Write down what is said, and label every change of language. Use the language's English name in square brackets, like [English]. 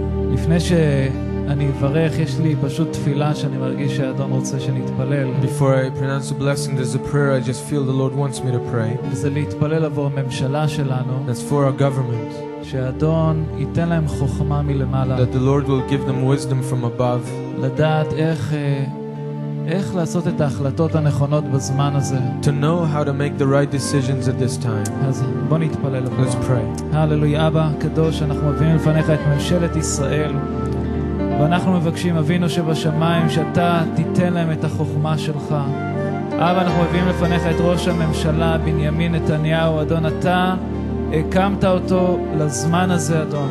[Hebrew] לפני שאני אברך, יש לי פשוט תפילה שאני מרגיש שאדון רוצה שנתפלל. [English] Before I pronounce a blessing, there's a prayer I just feel the Lord wants me to pray. [Hebrew] וזה להתפלל עבור הממשלה שלנו. [English] That's for our government. [Hebrew] שאדון ייתן להם חוכמה מלמעלה. [English] That the Lord will give them wisdom from above. [Hebrew] לדעת איך לעשות את ההחלטות הנכונות בזמן הזה. [English] To know how to make the right decisions at this time. [Hebrew] אז בוא נתפלל עבור. [English] Let's pray. [Hebrew] הללויה, אבא קדוש, אנחנו מביאים לפניך את ממשלת ישראל. ואנחנו מבקשים, אבינו שבשמיים, שאתה תיתן להם את החוכמה שלך. אבא, אנחנו מביאים לפניך את ראש הממשלה, בנימין נתניהו. אדון, אתה הקמת אותו לזמן הזה, אדון.